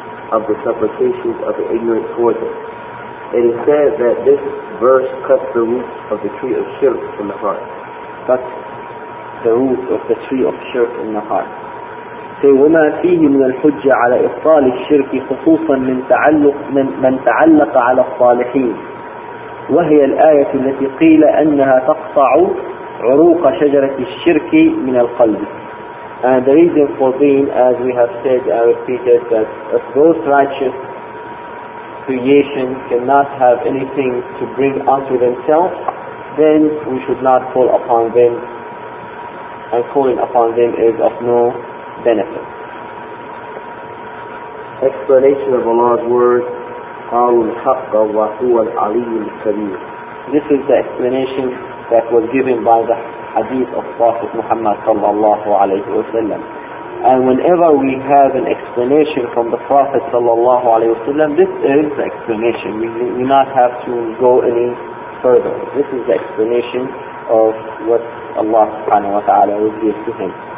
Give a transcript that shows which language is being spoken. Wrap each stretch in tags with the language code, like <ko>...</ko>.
<en>of the supplications of the ignorant towards it. It is said that this verse cuts the root of the tree of shirk in the heart. Cuts the root of the tree of shirk in the heart.</en> <ar>في وما فيه من الحجة على إبطال الشرك خصوصا من تعلق من تعلق على الصالحين وهي الآية التي قيل أنها تقطع عروق شجرة الشرك من القلب.</ar> <en>And the reason for being, as we have said and repeated, that if those righteous creation cannot have anything to bring unto themselves, then we should not call upon them, and calling upon them is of no benefit. Explanation of Allah's word,</en> <ar>قَالُوا الْحَقَّ وَهُوَ الْعَلِيُّ الْكَبِيرُ.</ar> <en>This is the explanation that was given by the hadith of Prophet Muhammad sallallahu alayhi wa sallam. And whenever we have an explanation from the Prophet sallallahu alayhi wa sallam, this is the explanation. We do not have to go any further. This is the explanation of what Allah subhanahu wa ta'ala would give to him.</en>